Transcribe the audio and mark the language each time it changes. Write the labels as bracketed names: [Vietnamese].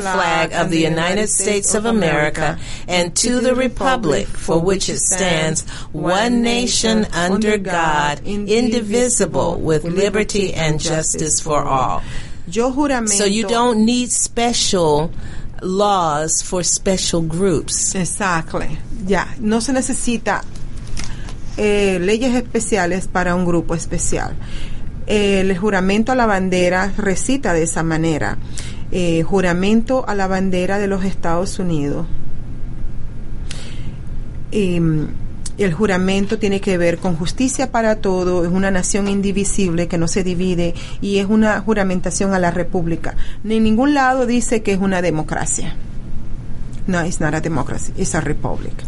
[English] flag of the United States of America and to the republic for which it stands, one nation under God, indivisible, with liberty and justice for all. [Spanish] Yo juramento. [English] So you don't need special laws for special groups. Exactly. Yeah. [Spanish] No se necesita leyes especiales para un grupo especial. El juramento a la bandera recita de esa manera. Juramento a la bandera de los Estados Unidos. El juramento tiene que ver con justicia para todo, es una nación indivisible que no se divide y es una juramentación a la república. Ni en ningún lado dice que es una democracia. [English] No, it's not a democracy, it's a republic.